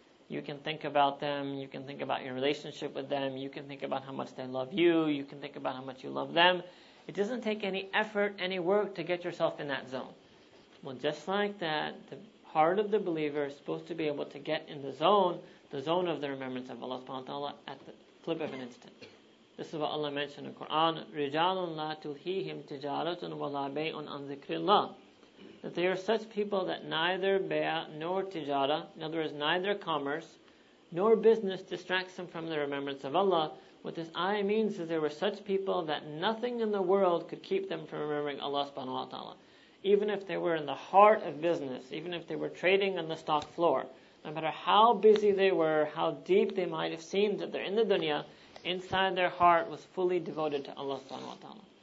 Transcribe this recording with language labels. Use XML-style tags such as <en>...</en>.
<en>You can think about them, you can think about your relationship with them, you can think about how much they love you, you can think about how much you love them. It doesn't take any effort, any work to get yourself in that zone. Well, just like that, the heart of the believer is supposed to be able to get in the zone of the remembrance of Allah subhanahu wa ta'ala, at the flip of an instant. This is what Allah mentioned in the Quran,</en> <ar>رِجَالٌ لَا تُلْهِيهِمْ تِجَارَةٌ وَلَا بَيْءٌ عَنْ ذِكْرِ اللَّهِ.</ar> <en>That they are such people that neither bay'ah nor tijara, in other words, neither commerce nor business distracts them from the remembrance of Allah. What this ayah means is there were such people that nothing in the world could keep them from remembering Allah subhanahu wa ta'ala. Even if they were in the heart of business, even if they were trading on the stock floor, no matter how busy they were, how deep they might have seemed that they're in the dunya, inside their heart was fully devoted to Allah subhanahu wa ta'ala.</en>